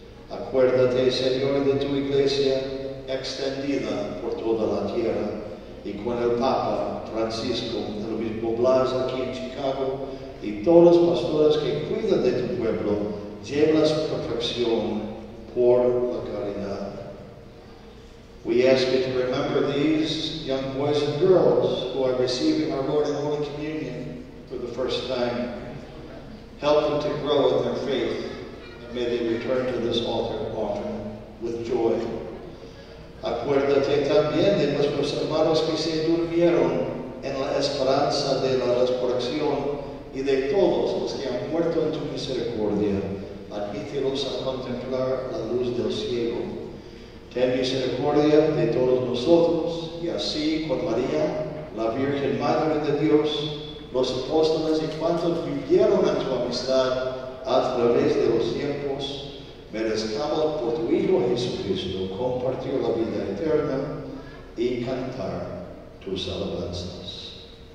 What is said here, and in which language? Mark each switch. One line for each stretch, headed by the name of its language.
Spanish: Acuérdate, Señor, de tu Iglesia, extendida por toda la tierra, y con el Papa Francisco, el obispo Blas aquí en Chicago, y todos los pastores que cuidan de tu pueblo, llévalas a perfección por la caridad.
English: We ask you to remember these young boys and girls who are receiving our Lord in Holy Communion for the first time. Help them to grow in their faith, and may they return to this altar often with joy.
Spanish: Acuérdate también de nuestros hermanos que se durmieron en la esperanza de la resurrección y de todos los que han muerto en tu misericordia. Admítelos a contemplar la luz del cielo. Ten misericordia de todos nosotros, y así con María, la Virgen Madre de Dios, los apóstoles y cuantos vivieron en tu amistad a través de los tiempos, merezcamos por tu Hijo Jesucristo compartir la vida eterna y cantar tus alabanzas.